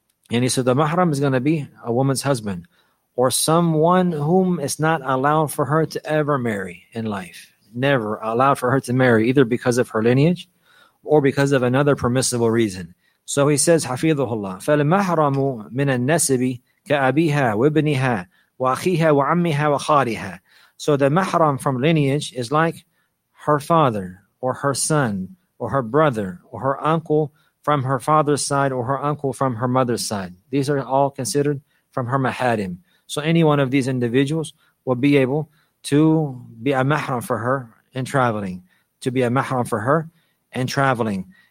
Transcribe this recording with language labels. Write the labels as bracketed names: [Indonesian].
[English] And he said the mahram is going to be a woman's husband or someone whom is not allowed for her to ever marry in life, never allowed for her to marry, either because of her lineage or because of another permissible reason. So he says, hafidhullah, [Arabic] فَالْمَحْرَمُ مِنَ النَّسِبِ كَأَبِيهَا وَابْنِهَا وَأَخِيهَا وَعَمِّهَا وَخَالِهَا. [English] So the mahram from lineage is like her father or her son or her brother or her uncle from her father's side or her uncle from her mother's side. These are all considered from her mahadim. So any one of these individuals will be able to be a mahram for her in traveling, to be a mahram for her and traveling.